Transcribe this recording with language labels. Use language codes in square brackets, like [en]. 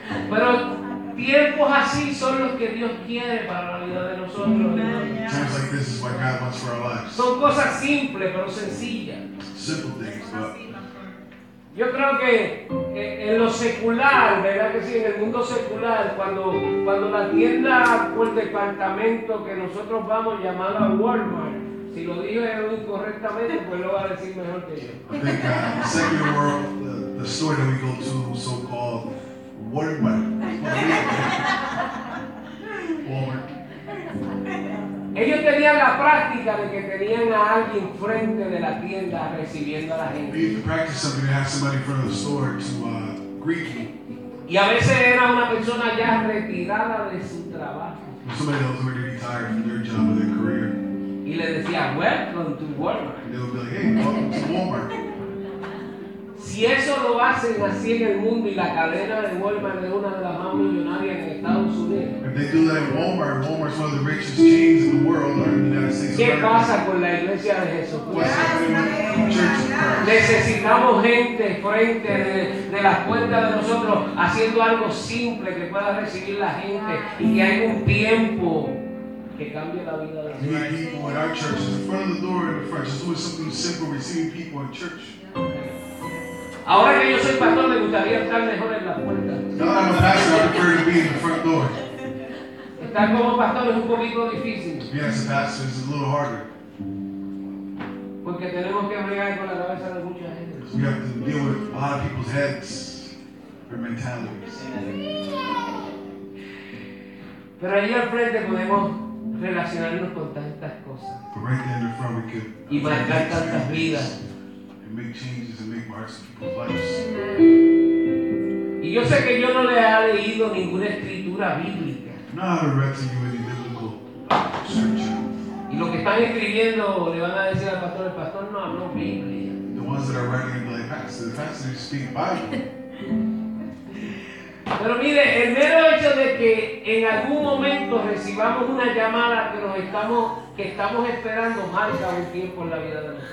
[es] Pero tiempos así son los que Dios quiere para la vida de nosotros. [en] Times like this is what God wants for our lives. [es] Son cosas simples pero sencillas. [en] Simple things, but [es] yo creo que en lo secular, ¿verdad que sí? En el mundo secular, cuando la tienda o el departamento que nosotros vamos llamada Walmart. Si lo dije correctamente, pues lo va a decir mejor que yo. [en] I think the secular world, the store that we go to, so called Walmart. [es] Ellos tenían la práctica de que tenían a alguien frente de la tienda recibiendo a la gente. [en] They had the practice of having somebody in front of the store to greet you. [es] Y a veces era una persona ya retirada de su trabajo. [en] Somebody that was already retired from their job or their career. [es] Y le decía, [en] welcome to Walmart. They would be like, hey, welcome to Walmart. [es] Si Si eso lo hacen así en el mundo y la cadena de Walmart es una de las más millonarias en Estados Unidos. [en] If they do that in Walmart, Walmart's one of the richest chains in the world or in the United States. [es] ¿Qué pasa con la iglesia de Jesucristo? Necesitamos gente frente de las puertas de nosotros haciendo algo simple que pueda recibir la gente y que haya un tiempo que cambie la vida de la gente. [en] We need people in our church in front of the door in the front, just doing something simple, receiving people in church. [es] Ahora que yo soy pastor, me gustaría estar mejor en la puerta. [en] No, I'm a pastor, I prefer to be in the front door. [es] Estar como pastor es un poquito difícil. [en] Yes, as a pastor, it's a little harder. [es] Porque tenemos que bregar con la cabeza de mucha gente. [en] We have to deal with a lot of people's heads, their mentalities. [es] Pero ahí al frente podemos relacionarnos con tantas cosas. [en] But right there in the front, we could. [es] Y marcar tantas vidas. [en] Make changes and make marks in people's lives. [es] Y yo sé que yo no le he leído ninguna escritura bíblica. [en] No, I haven't read to you any biblical scripture. [es] Y lo que están escribiendo le van a decir al pastor, el pastor no habló Biblia. [en] The ones that are writing in the pastor speak Bible. [es] Pero mire, el mero hecho de que en algún momento recibamos una llamada que nos estamos que estamos esperando marca un tiempo en la vida de